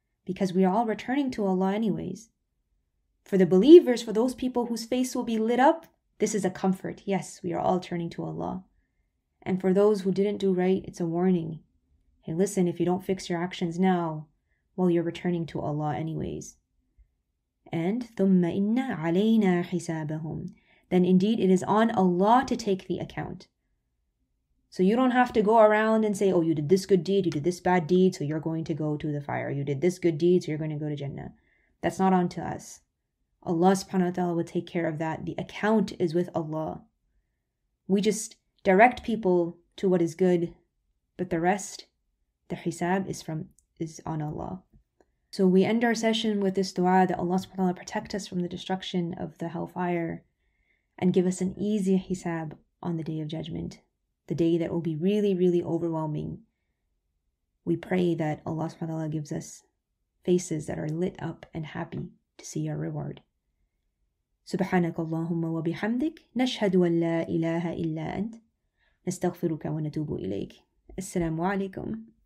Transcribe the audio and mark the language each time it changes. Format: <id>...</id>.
<en>Because we are all returning to Allah anyways. For the believers, for those people whose face will be lit up, this is a comfort. Yes, we are all turning to Allah. And for those who didn't do right, it's a warning. Hey, listen, if you don't fix your actions now, well, you're returning to Allah anyways.</en> <ar>And ثُمَّ إِنَّ عَلَيْنَا حِسَابَهُمْ.</ar> <en>Then indeed, it is on Allah to take the account. So you don't have to go around and say, oh, you did this good deed, you did this bad deed, so you're going to go to the fire. You did this good deed, so you're going to go to Jannah. That's not on to us. Allah subhanahu wa ta'ala will take care of that. The account is with Allah. We just direct people to what is good, but the rest, the hisab, is on Allah. So we end our session with this dua that Allah subhanahu wa ta'ala protect us from the destruction of the hellfire and give us an easy hisab on the Day of Judgment, the day that will be really, really overwhelming. We pray that Allah subhanahu wa ta'ala gives us faces that are lit up and happy to see our reward.</en> <ar>سبحانك اللهم وبحمدك نشهد أن لا إله إلا أنت نستغفرك ونتوب إليك السلام عليكم</ar>